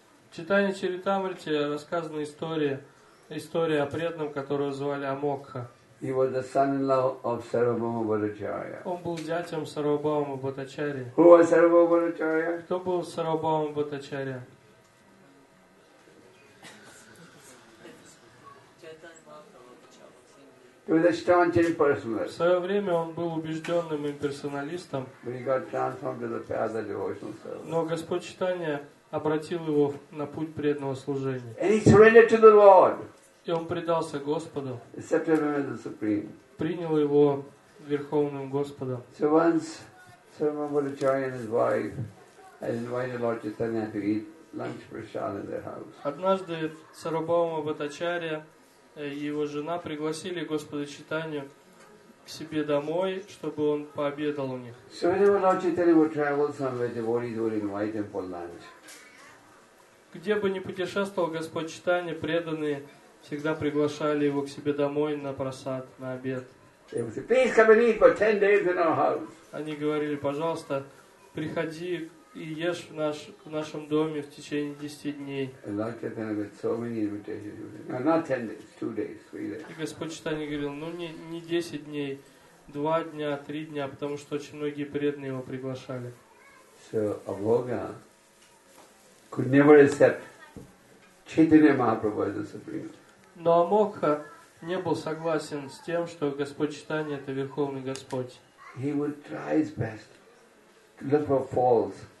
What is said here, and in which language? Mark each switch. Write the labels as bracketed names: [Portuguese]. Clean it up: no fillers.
[Russian] В Читании Чаритамрити рассказана история о преданном, которого звали Амокха. [English] He was the son-in-law of Sarvabhauma Bhattacharya. [Russian] Он был зятем Сарвабхаумы Бхаттачарьи. [English] Who was Sarvabhauma Bhattacharya? [Russian] Кто был Сарвабхаумы Бхаттачарьи? [English] He was a staunch impersonalist. [Russian] В свое время он был убежденным имперсоналистом. [English] But he got transformed to the path of devotional service. [Russian] Но Господь Читания обратил его на путь преданного служения. [English] And he surrendered to the Lord. [Russian] И он предался Господу. [English] Accepted him as the Supreme. [Russian] Принял его Верховным Господом. [English] So once Sarvabhauma Bhattacharya and his wife had invited Lord Chaitanya to eat lunch prasad in their house. [Russian] Однажды Сарвабхаума Бхаттачарья и его жена пригласили Господа Чайтанью к себе домой, чтобы он пообедал у них. [English] So whenever Lord Chaitanya would travel somewhere, devotees would invite him for lunch. [Russian] Где бы ни путешествовал Господь Чайтанья, преданные всегда приглашали его к себе домой на просад, на обед. [English] They would say, please come and eat for 10 days in our house. [Russian] Они говорили, пожалуйста, приходи и ешь в нашем доме в течение 10 дней. [English] And Lord Chaitanya got so many invitations. No, not 10 days, 2 days, 3 days. [Russian] И Господь Чайтанья говорил, ну не 10 дней, 2 дня, 3 дня, потому что очень многие преданные его приглашали. [English] So, Amogha could never accept Chaitanya Mahaprabhu as the Supreme. [Russian] Но Амокха не был согласен с тем, что Господь Чайтанья это Верховный Господь. [English] He would try his best to look for faults.